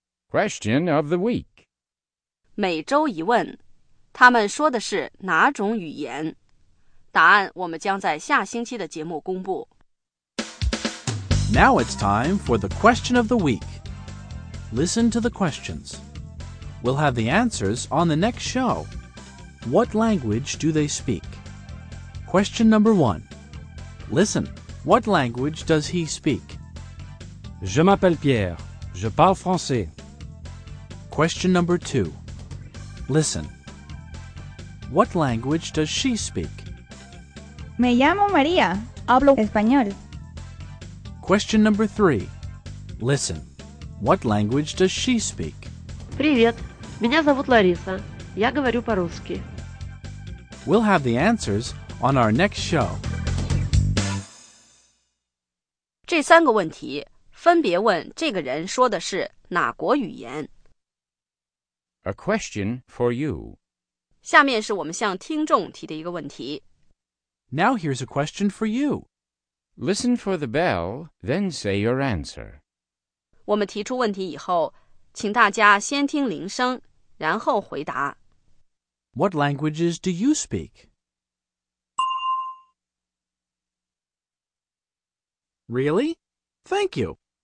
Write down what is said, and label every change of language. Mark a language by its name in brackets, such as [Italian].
[English] Question of the week. [Chinese] 每周一问，他们说的是哪种语言？答案我们将在下星期的节目公布。 [English] Now it's time for the question of the week. Listen to the questions. We'll have the answers on the next show. What language do they speak? Question number one. Listen, what language does he speak? [French] Je m'appelle Pierre. Je parle français. [English] Question number two. Listen. What language does she speak? [Spanish] Me llamo María. Hablo español. [English] Question number 3. Listen. What language does she speak? [Russian] Привет. Меня зовут Лариса. Я говорю по-русски. [English] We'll have the answers on our next show. [Chinese] 这三个问题分别问这个人说的是哪国语言。 [English] A question for you. [Chinese] 下面是我们向听众提的一个问题。 [English] Now here's a question for you. Listen for the bell, then say your answer. [Chinese] 我们提出问题以后，请大家先听铃声，然后回答。 [English] What languages do you speak? Really? Thank you.